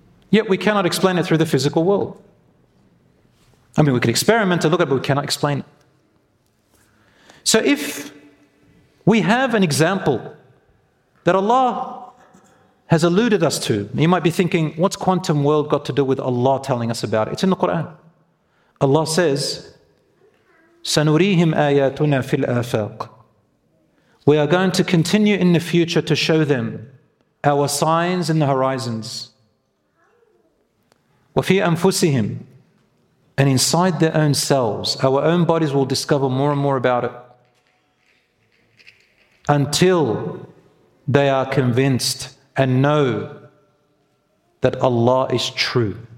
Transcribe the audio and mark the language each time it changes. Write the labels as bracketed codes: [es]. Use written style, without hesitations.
[en] Yet we cannot explain it through the physical world. I mean, we could experiment and look at it, but we cannot explain it. So if we have an example that Allah has alluded us to, you might be thinking, what's quantum world got to do with Allah telling us about it? It's in the Quran. [ar] Allah says, سَنُرِيهِمْ آيَاتُنَا فِي الْآفَاقِ. [en] We are going to continue in the future to show them our signs in the horizons. [ar] وَفِي أَنفُسِهِمْ. [en] And inside their own selves, our own bodies will discover more and more about it until they are convinced and know that Allah is true.